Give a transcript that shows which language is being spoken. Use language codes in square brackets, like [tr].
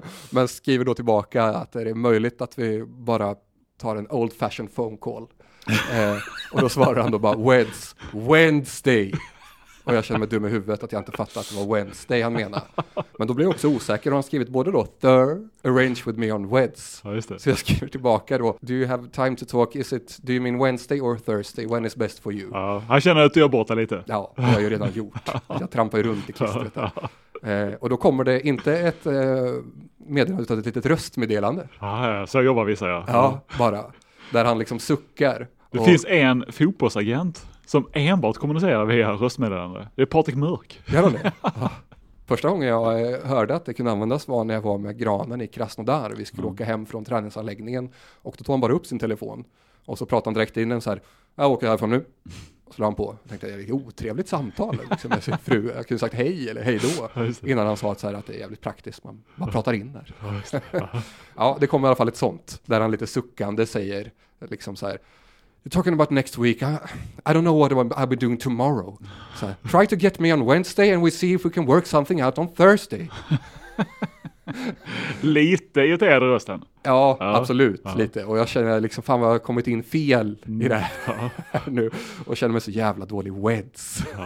[sv] Men skriver då tillbaka att är det möjligt att vi bara tar en [en] old fashioned phone call? [sv] Och då svarar han då bara Wednesday. Och jag känner mig dum i huvudet att jag inte fattar att det var Wednesday han menar. Men då blir jag också osäker och han skrivit både då Thur, [en] arrange with me on Weds. [sv] Ja, just det. Så jag skriver tillbaka då, [en] do you have time to talk, is it, do you mean Wednesday or Thursday, when is best for you? [sv] Han känner att du har båtat lite. Ja, det har jag ju redan gjort. Jag trampar ju runt i klistret. Och då kommer det inte ett meddelande utan ett litet röstmeddelande. Ja, så jobbar vissa ja. Ja, bara där han liksom suckar. Det finns en fotbollsagent som enbart kommunicerar via röstmeddelande. Det är Patrik Mörk. Ja, det. Första gången jag hörde att det kunde användas var när jag var med granen i Krasnodar. Vi skulle åka hem från träningsanläggningen. Och då tog han bara upp sin telefon. Och så pratade han direkt in en så här. Jag åker härifrån nu. Och så la han på. Jag tänkte, det är otrevligt samtal liksom med sin fru. Jag kunde sagt hej eller hej då. Innan han sa att, så här, att det är jävligt praktiskt. Man pratar in där. Ja, det kommer i alla fall ett sånt. Där han lite suckande säger liksom så här. [en] You're talking about next week. I don't know what I'll be doing tomorrow. So, try to get me on Wednesday and we see if we can work something out on Thursday. [sv] Lite irriterad rösten. Ja, absolut. Ja. Lite. Och jag känner liksom, fan vad jag har kommit in fel i det här nu. Och känner mig så jävla dålig Weds.